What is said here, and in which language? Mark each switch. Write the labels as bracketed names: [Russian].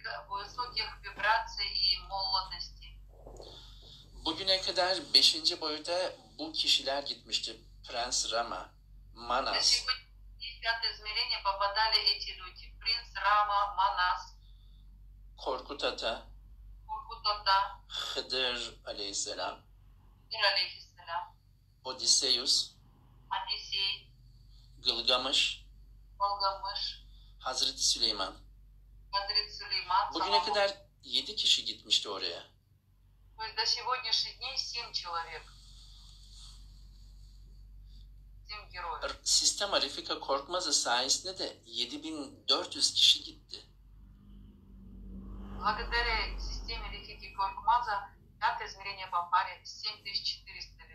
[Russian] Высоких вибраций и молодости. [Turkish] Bugüne kadar 5. boyuta bu kişiler gitmişti. Prens Rama, Manas. [Russian] Пятое измерение попадали эти люди. Принц Рама, Манас. Коркута-та. Коркута-та. Хыдыр алейхиссалам. Хыдыр алейхиссалам. Одиссеюс. Одиссей. Gılgamış. Gılgamış. Hazreti Süleyman. Hazreti Süleyman. [Turkish] Bugüne kadar 7 kişi gitmişti oraya. [Russian] До сегодняшних дней 7 человек. 7 герой. [Turkish] Sistema Refika Korkmaz'ı sayesinde de 7400 kişi gitti. [Russian] Благодаря системе Рефики Коркмаза пятое измерение попали 7400.